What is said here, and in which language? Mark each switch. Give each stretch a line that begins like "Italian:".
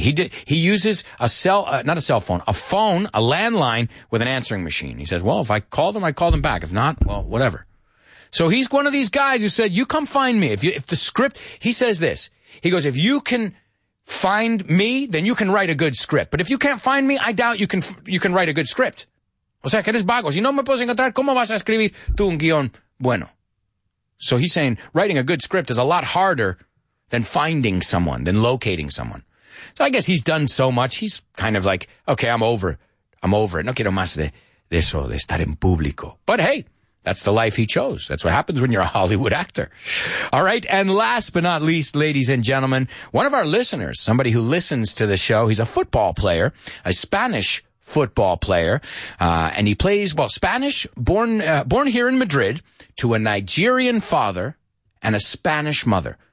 English: He uses a landline with an answering machine. He says, well, if I call them, I call them back. If not, well, whatever. So he's one of these guys who said, you come find me. He says this. He goes, if you can find me, then you can write a good script. But if you can't find me, I doubt you can write a good script.
Spanish: O sea, que eres vago. Si no me puedes encontrar, ¿cómo vas a escribir tú un guión bueno?
English: So he's saying writing a good script is a lot harder than finding someone, than locating someone. So I guess he's done so much. He's kind of like, okay, I'm over it.
Spanish: No quiero más de eso, de estar en público.
English: But hey, that's the life he chose. That's what happens when you're a Hollywood actor. All right. And last but not least, ladies and gentlemen, one of our listeners, somebody who listens to the show, he's a football player, a Spanish football player, and he plays, well, Spanish, born here in Madrid to a Nigerian father and a Spanish mother.